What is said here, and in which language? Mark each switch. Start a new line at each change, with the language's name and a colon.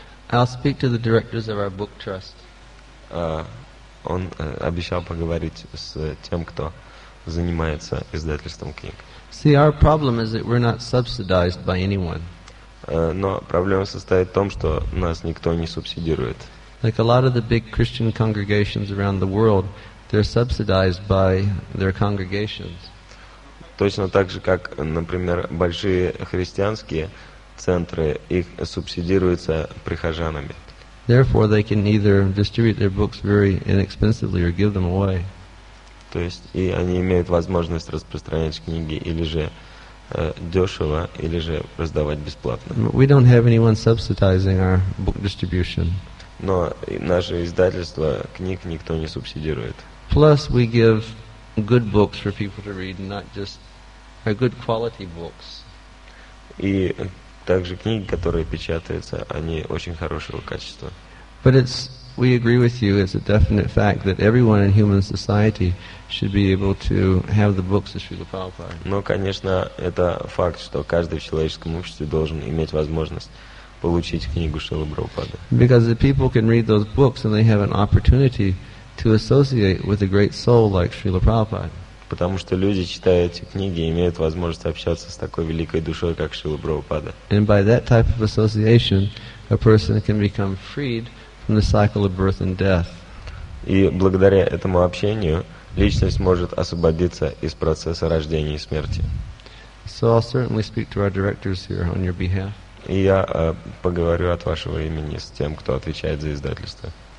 English: I'll speak to the directors of our book trust.
Russian: Он обещал поговорить с тем, кто занимается издательством книг.
English: See, our problem is that we're not subsidized by anyone.
Russian: Но проблема состоит в том, что нас никто не субсидирует.
English: Like a lot of the big Christian congregations around the world, they're subsidized by their congregations.
Russian: Точно так же, как, например, большие христианские центры, их субсидируются прихожанами.
English: Therefore, they can either distribute their books very inexpensively or give them away.
Russian: То есть, и они имеют возможность распространять книги или же дешево, или же раздавать бесплатно.
English: We don't have anyone subsidizing our book distribution.
Russian: Но наше издательство книг никто не субсидирует.
English: Plus we give good books for people to read, not just good quality books.
Russian: И также книги, которые печатаются, они очень хорошего качества.
English: But it's, we agree with you, it's a definite fact that everyone in human society should be able to have the books of Srila Prabhupada.
Russian: Но, конечно, это факт, что каждый в человеческом обществе должен иметь возможность получить книгу Шрилы Прабхупады.
English: Because the people can read those books and they have an opportunity to associate with a great soul like Srila Prabhupada.
Russian: Потому что люди, читая эти книги, имеют возможность общаться с такой великой душой, как Шрила Прабхупада.
English: And by that type of association, a person can become freed from the cycle of birth and death.
Russian: И благодаря этому общению личность может освободиться из процесса рождения и смерти.
English: So I'll certainly speak to our directors here on your behalf.
Russian: И я поговорю от вашего имени с тем, кто отвечает за издательство.